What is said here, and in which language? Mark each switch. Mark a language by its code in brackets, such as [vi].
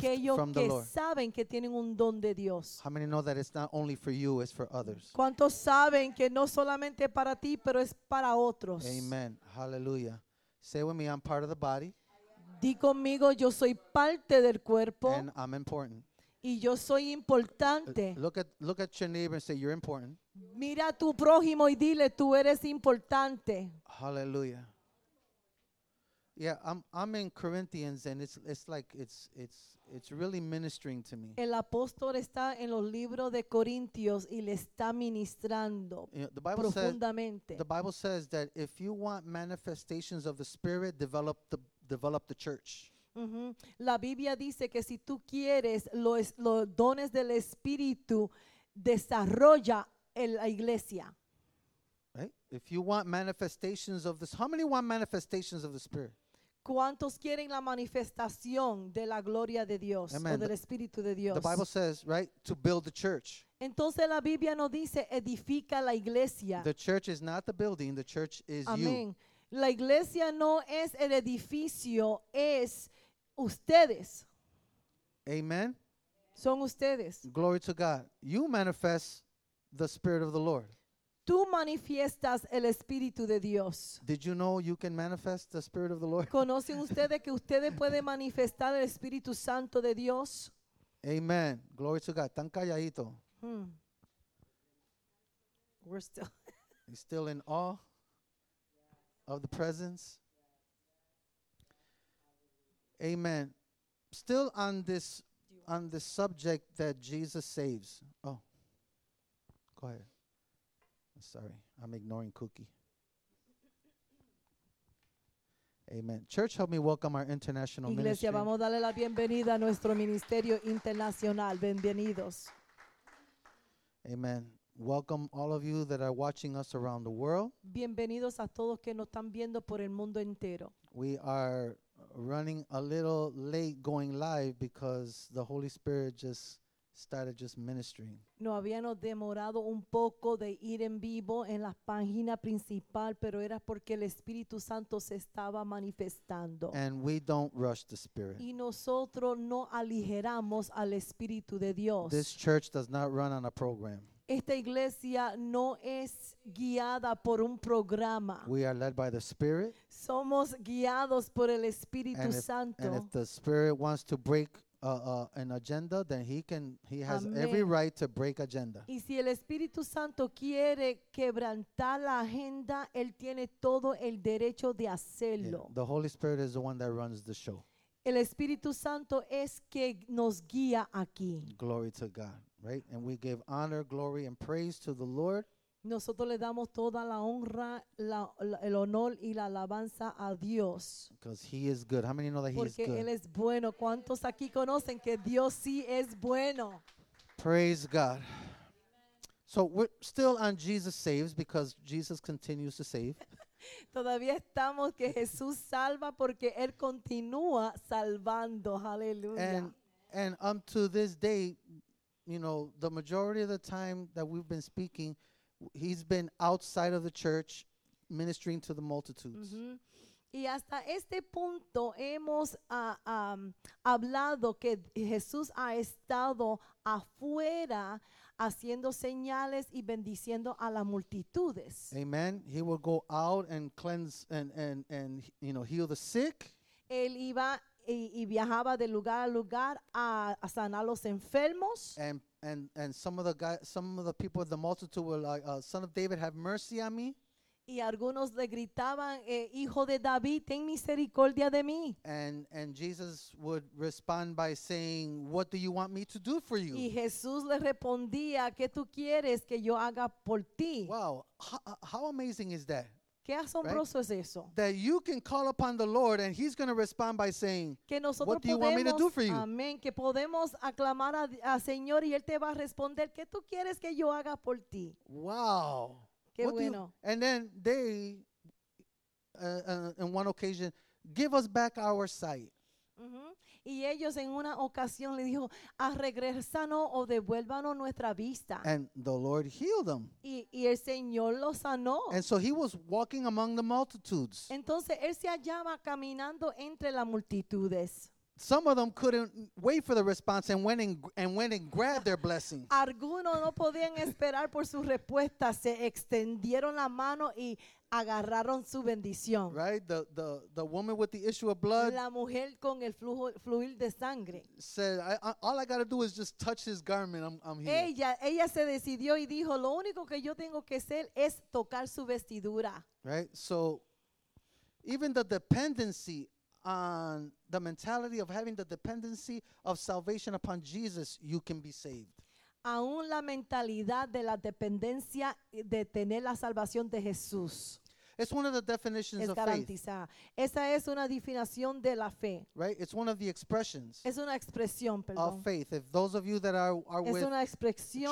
[es] de aquellos que saben que tienen un don de Dios. [en] How many know that it's not only for you, it's for others? [es] ¿Cuántos saben que no solamente para ti, pero es para otros? [en] Amen. Hallelujah. Say with me, I'm part of the body. [es] Di conmigo, yo soy parte del cuerpo. [en] And I'm important. [es] Y yo soy importante. [en] Look at your neighbor and say, you're important. [es] Mira a tu prójimo y dile, tú eres importante. [en] Hallelujah. Yeah, I'm in Corinthians and it's really ministering to me. [es] El apóstol está en los libros de Corintios y le está ministrando profundamente. [en] The Bible says that if you want manifestations of the Spirit, develop the church. Mm-hmm. [es] La Biblia dice que si tú quieres los dones del Espíritu, desarrolla la iglesia. [en] Right? If you want manifestations of this, how many want manifestations of the Spirit? [es] ¿Cuántos quieren la manifestación de la gloria de Dios Amen. O del Espíritu de Dios? [en] The Bible says, right, to build the church. [es] Entonces la Biblia nos dice, edifica la iglesia. [en] The church is not the building, the church is Amen. You. [es] La iglesia no es el edificio, es ustedes. Amen. Son ustedes. [en] Glory to God. You manifest the Spirit of the Lord. [es] Tú manifiestas el Espíritu de Dios. [en] Did you know you can manifest the Spirit of the Lord? [es] ¿Conocen ustedes que ustedes pueden manifestar el Espíritu Santo de Dios? [en] Amen. Glory to God. [es] Tan calladito. [en] We're still. You're still in awe of the presence. Amen. Still on this subject that Jesus saves. Oh, go ahead. Sorry, I'm ignoring Cookie. Amen. Church, help me welcome our international [es] Iglesia, Iglesia, vamos a darle la bienvenida a nuestro ministerio internacional. Bienvenidos. Amen. [en] Welcome all of you that are watching us around the world. [es] Bienvenidos a todos que nos están viendo por el mundo entero. [en] We are running a little late going live because the Holy Spirit just started just ministering. [es] No habíamos demorado un poco de ir en vivo en la página principal, pero era porque el Espíritu Santo se estaba manifestando. [en] And we don't rush the Spirit. [es] Y nosotros no aligeramos al Espíritu de Dios. [en] This church does not run on a program. [es] Esta iglesia no es guiada por un programa. [en] We are led by the Spirit. [es] Somos guiados por el Espíritu Santo. [en] And if the Spirit wants to break an agenda, then he has Amen. Every right to break agenda. [es] Y si el Espíritu Santo quiere quebrantar la agenda, él tiene todo el derecho de hacerlo. [en] Yeah, the Holy Spirit is the one that runs the show. [es] El Espíritu Santo es que nos guía aquí. [en] Glory to God, right? And we give honor, glory, and praise to the Lord. [es] Nosotros le damos toda la honra, el honor y la alabanza a Dios. [en] Because he is good. How many know that he [es] Porque [en] is good? [es] Porque él es bueno. ¿Cuántos aquí conocen que Dios sí es bueno? [en] Praise God. So we're still on Jesus saves because Jesus continues to save. [es] Todavía estamos que Jesús salva porque él continúa salvando. [en] Hallelujah. And to this day, you know, the majority of the time that we've been speaking, he's been outside of the church ministering to the multitudes. [es] Y hasta este punto hemos hablado que Jesús ha estado afuera haciendo señales y bendiciendo a las multitudes. Amen. [en] He will go out and cleanse and you know, heal the sick. [es] Él iba y viajaba de lugar a lugar a sanar los enfermos. [en] And some of the people of the multitude were like, "Son of David, have mercy on me." [es] Y algunos le gritaban, "Hijo de David, ten misericordia de mí." [en] And Jesus would respond by saying, "What do you want me to do for you?" [es] Y Jesús le respondía, "¿Qué tú quieres que yo haga por ti?" [en] Wow, how amazing is that? [es] Qué asombroso [en] right? [es] es eso. [en] That you can call upon the Lord and he's going to respond by saying, [es] que nosotros [en] what do you [es] podemos, [en] want me to do for you? [es] Amén, que podemos aclamar al Señor y él te va a responder, ¿qué tú quieres que yo haga por ti? [en] Wow. [es] Qué what bueno. [en] And then they in one occasion, give us back our sight. Mm-hmm. [es] Y ellos en una ocasión le dijo, a regresarnos o devuélvanos nuestra vista. [en] And the Lord healed them. [es] Y el Señor lo sanó. [en] And so he was walking among the multitudes. [es] Entonces él se hallaba caminando entre las multitudes. [en] Some of them couldn't wait for the response and went and grabbed their blessing. [es] Algunos no podían esperar por su respuesta, se extendieron la mano y agarraron su bendición. [en] Right, the woman with the issue of blood. [es] La mujer con el flujo fluir de sangre. [en] Said, all I got to do is just touch his garment. I'm here. [es] Ella se decidió y dijo, lo único que yo tengo que hacer es tocar su vestidura. [en] Right, so even the dependency on the mentality of having the dependency of salvation upon Jesus, you can be saved. [es] Aún la mentalidad de la dependencia de tener la salvación de Jesús. [en] It's one of the definitions [es] es [en] of [es] garantizada. [en] Faith. [es] Esa es una definición de la fe. [en] Right? It's one of the expressions [es] es una expresión, perdón. [en] Of faith. If those of you that are [es] es [en] with [es] una expresión